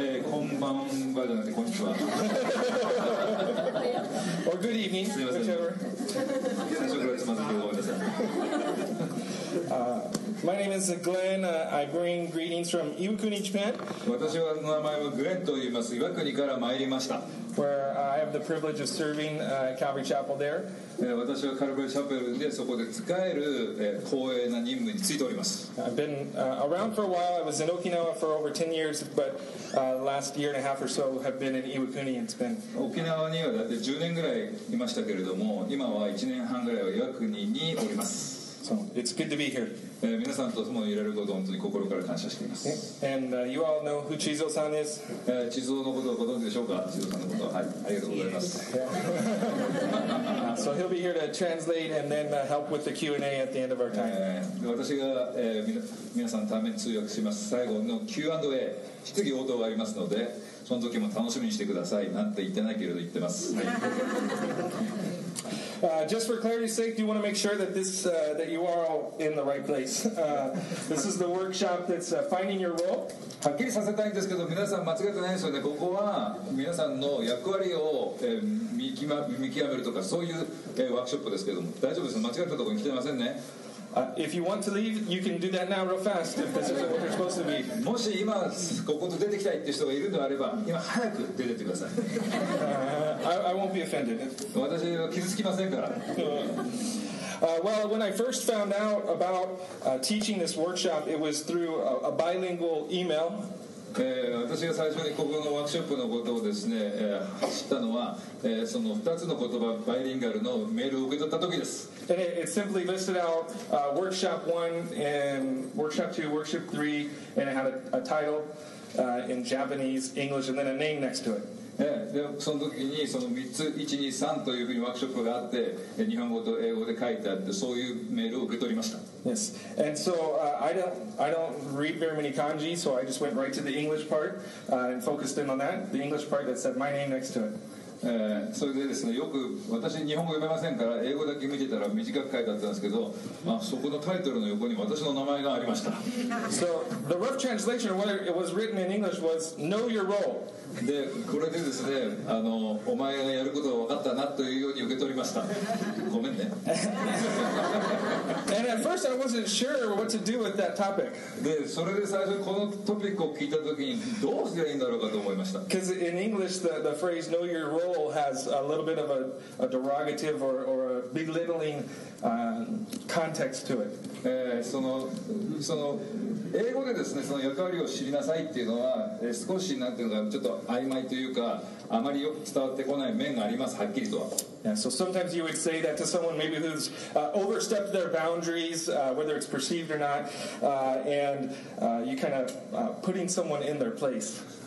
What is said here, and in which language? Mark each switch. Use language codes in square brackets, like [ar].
[ja] こんばんはじゃなくてこんにちは。 [en] Or good evening. [ja] すみません。最初からつまずいてごめんなさい。 [en] My name is Glenn. I bring greetings from Iwakuni, Japan. [ja] 私は名前はグレンと言います。岩国から参りました。 [en] Where I have the privilege of serving Calvary Chapel there. [ja] 私はカルバリーチャペルでそこで使える光栄な任務についております。 [en] I've been around for a while. I was in Okinawa for over 10 years, but last year and a half or so have been in Iwakuni. It's been [ja] 沖縄にはだって10年ぐらいいましたけれども、今は1年半ぐらいは岩国におります。 [en] So it's good to be here. [ja] 皆さんと共にいられることを本当に心から感謝しています。 [en] And you all know who Chizo さんです。 [ja] Chizo のことをご存知でしょうか。Chizo さんのことは、はい、ありがとうございます。 [en] So he'll be here to translate and then help with the Q&A at the end of our time. [ja] 私が皆さんのために通訳します。最後の Q&A 質疑応答がありますので、その時も楽しみにしてくださいなんて言ってないけれど言ってます。 [en] Just for clarity's sake, do you want to make sure that this that you are all in the right place? This is the workshop that's finding your role. [ja] はっきりさせたいんですけど、皆さん間違ってないですよね。ここは皆さんの役割を見極めるとか、そういうワークショップですけども、大丈夫です。間違ったところに来てませんね。 [en] If you want to leave, you can do that now real fast. If this is what you're supposed to be. [ja] もし今ここと出てきたいって人がいるのであれば、今早く出てってください。 [en] I won't be offended. [ja] 私は傷つきませんから。 [en] Well, when I first found out about teaching this workshop, it was through a bilingual email. [ja] 私が最初にここのワークショップのことをですね、知ったのは、その2つの言葉、バイリンガルのメールを受け取った時です。 [en] And it simply listed out workshop 1 and workshop 2, workshop 3, and it had a title in Japanese, English, and then a name next to it. [ja] でその時にその3つ、1、2、3というふうにワークショップがあって、日本語と英語で書いてあって、そういうメールを受け取りました。 [en] Yes. And so, I don't read very many kanji, so I just went right to the English part and focused in on that, the English part that said my name next to it. [ja] それでですね、よく私日本語読めませんから英語だけ見てたら短く書いてあったんですけど、まあ、そこのタイトルの横に私の名前がありました。 [en] So the rough translation of what it was written in English was know your role. [ja] でこれでですね、お前がやることが分かったなというように受け取りました。ごめんね。 [en] And at first I wasn't sure what to do with that topic. [ja] でそれで最初このトピックを聞いた時にどうすればいいんだろうかと思いました。 [en] Because in English the phrase know your role has a little bit of a derogative or a belittling context to it. [ja] その英語でですね、その役割を知りなさいっていうのは、少しなんていうか、ちょっと曖昧というか、あまりよく伝わってこない面があります、はっきりとは。 [en] Yeah, so sometimes you would say that to someone maybe who's overstepped their boundaries, whether it's perceived or not, and you kind of putting someone in their place.